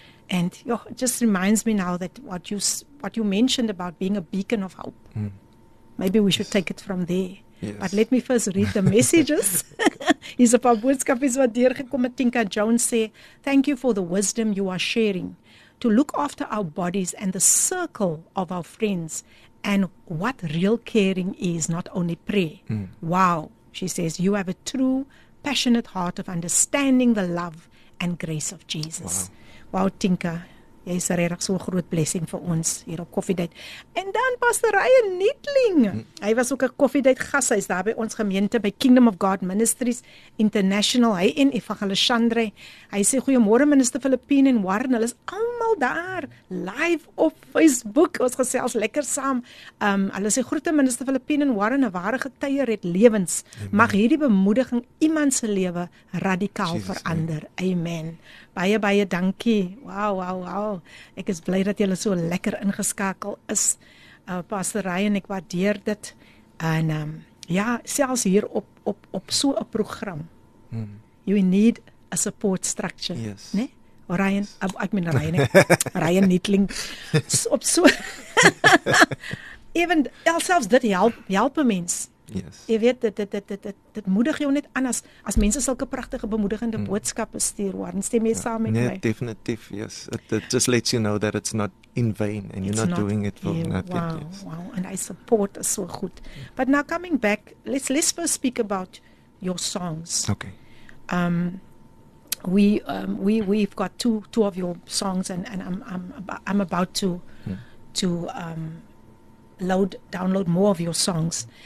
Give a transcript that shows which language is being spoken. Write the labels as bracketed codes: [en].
[en] And jo, it just reminds me now that what you mentioned about being a beacon of hope. Maybe we should take it from there. Yes. But let me first read the messages. [af] Hier's 'n paar boodskappe wat deurgekom het. [en] Tinka Jones sê, "Thank you for the wisdom you are sharing to look after our bodies and the circle of our friends and what real caring is, not only prayer." Mm. Wow, she says, "You have a true, passionate heart of understanding the love and grace of Jesus." Wow, Tinka. [af] Jy is regtig so 'n groot blessing vir ons hier op Koffiedייט. En dan Pastor Ryan Nietling. Hy was ook 'n Koffiedייט gas. Hy's daar by ons gemeente by Kingdom of God Ministries International. Hy en Evangelist Chandre. Hy sê goeiemôre minister Filippine en Warren. Hulle is almal daar live op Facebook. Ons gesels lekker saam. Hulle sê groete minister Filippine en Warren. 'n ware getuie red lewens. Mag hierdie bemoediging iemand se lewe radikaal Jesus, verander. Amen. Baie, baie dankie. Wow. Ek is bly dat julle so lekker ingeskakel is. Pastor Ryan, ek waardeer dit. En ja, selfs hier op so 'n program. [en] You need a support structure. Yes. [af] Né? Ryan, ek meen Ryan. Ryan Nietling. Op so. Even, selfs dit help 'n mens. [en] Yes. [af] Jy weet, dit moedig jou net aan as mense sulke pragtige bemoedigende boodskappe stuur, Warren, stem jy saam met my? Nee, definitief, yes. [en] It just lets you know that it's not in vain and you're not doing it for nothing. Wow, and I support is so goed. But now coming back, let's first speak about your songs. Okay. We've got two of your songs and I'm about to download more of your songs.